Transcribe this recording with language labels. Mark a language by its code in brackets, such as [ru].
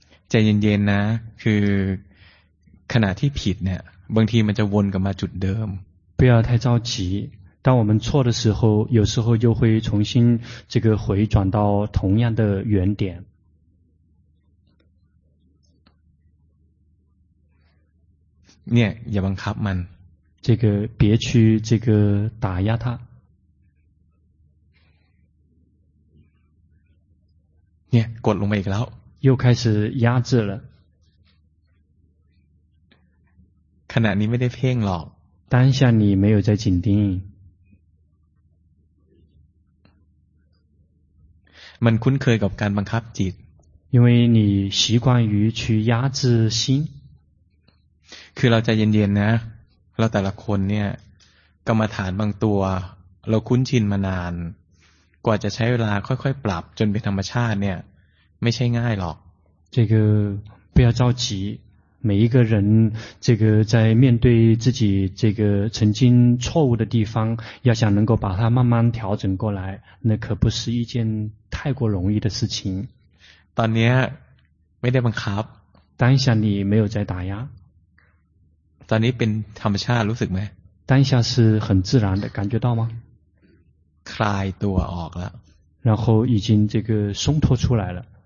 [th] ใจเย็นๆนะคือขณะที่ผิดเนี่ยบางทีมันจะวนกลับมาจุดเดิม [zh] 不要太着急当我们错的时候有时候又会重新这个回转到同样的原点 [th] เนี่ยอย่าบังคับมัน [zh] 这个别去这个打压它 [th] เนี่ยกดลงไปอีกแล้ว [zh] 又开始压制了 [th] ขณะนี้ไม่ได้เพ่งหรอก [zh] 当下你没有在紧盯 [th] มันคุ้นเคยกับการบังคับจิต [zh] 因为你习惯于去压制心 [th] คือเราใจเย็นๆนะเราแต่ละคนเนี่ยกรรมฐานบางตัวเราคุ้นชินมานานกว่าจะใช้เวลาค่อยๆปรับจนเป็นธรรมชาติเนี่ยไม่ใช่ง่ายหรอก [zh] 这个不要着急每一个人这个在面对自己这个曾经错误的地方要想能够把它慢慢调整过来那可不是一件太过容易的事情 [th] ตอนนี้ไม่ได้บังคับ [zh] 当下你没有在打压 [th] ตอนนี้เป็นธรรมชาติรู้สึกไหม [zh] 当下是很自然的感觉到吗 [th] คลายตัวออกแล้ว [zh] 然后已经这个松脱出来了